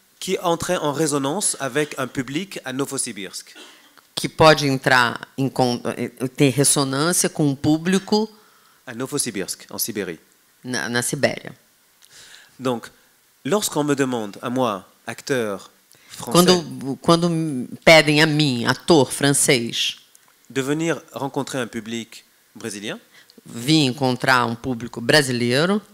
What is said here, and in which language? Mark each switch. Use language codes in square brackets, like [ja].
[fr] que entrait en résonance avec un public à Novosibirsk. [pt] Que pode entrar em ter ressonância com o público [fr] à Novosibirsk, en Sibérie. [pt] Na Sibéria. [fr] Donc, lorsqu'on me demande à moi, acteur français, [pt] quando pedem a mim, ator francês, [fr] de venir rencontrer un public brésilien, [pt] vim encontrar um público brasileiro.